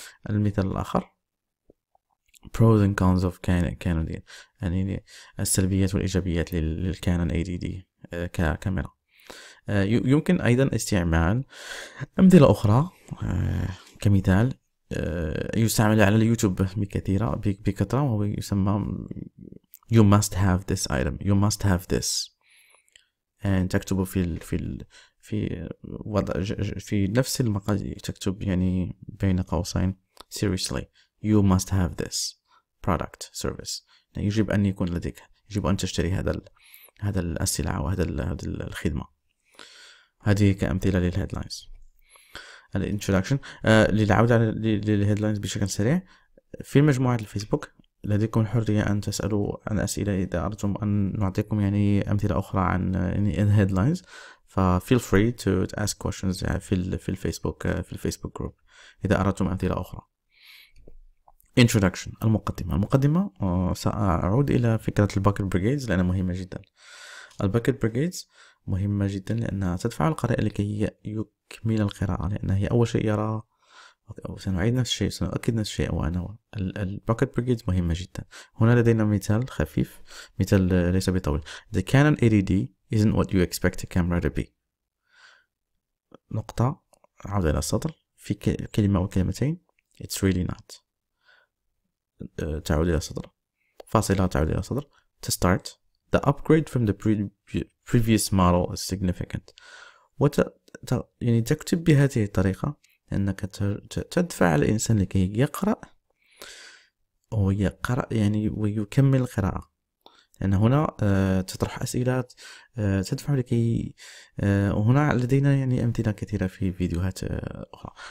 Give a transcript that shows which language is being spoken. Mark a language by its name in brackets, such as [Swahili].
[Arabic] المثال الآخر [English] pros and cons of Canon ADD، [Arabic] يعني السلبيات والإيجابيات للكانون ADD ككاميرا. يمكن أيضا استعمال أمثلة أخرى كمثال، يستعمل على اليوتيوب بكثرة، وهو يسمى [English] you must have this item, you must have this. [Arabic] And تكتبه في ال في ال في وضع في نفس المقال تكتب يعني بين قوسين [English] seriously you must have this product service. [Arabic] يعني يجب أن يكون لديك, يجب أن تشتري هذا ال هذا السلعة وهذا ال هذا الخدمة. هذه كأمثلة للهيدلاينز. الانترودكشن للعودة للهيدلاينز بشكل سريع. في مجموعة الفيسبوك لديكم الحرية أن تسألوا عن أسئلة إذا أردتم أن نعطيكم يعني أمثلة أخرى عن الهيدلاينز. ف [English] feel free to ask questions [Arabic] في الفيسبوك في الفيسبوك جروب إذا أردتم أمثلة أخرى. [English] Introduction المقدمة. [Arabic] المقدمة سأعود إلى فكرة الباكت بريجيدز لأنها مهمة جدا. الباكت بريجيدز مهمة جدا لأنها تدفع القارئ لكي يكمل القراءة, لأنها هي أول شيء يرى. سنعيد نفس الشيء, سنؤكد نفس الشيء. وأنا الباكت بريجيدز مهمة جدا. هنا لدينا مثال خفيف, مثال ليس بطويل. [English] The Canon 80D isn't what you expect a camera to be. [Arabic] نقطة, عودة إلى السطر في كلمة وكلمتين. [English] It's really not. [Arabic] تعود إلى السطر, فاصلة تعود إلى السطر. [English] To start, the upgrade from the previous model is significant. [Arabic] يعني تكتب بهذه الطريقة أنك تدفع الإنسان لكي يقرأ ويقرأ يعني ويكمل القراءة. لأن هنا تطرح أسئلة تدفع لكي, وهنا لدينا يعني أمثلة كثيرة في فيديوهات أخرى.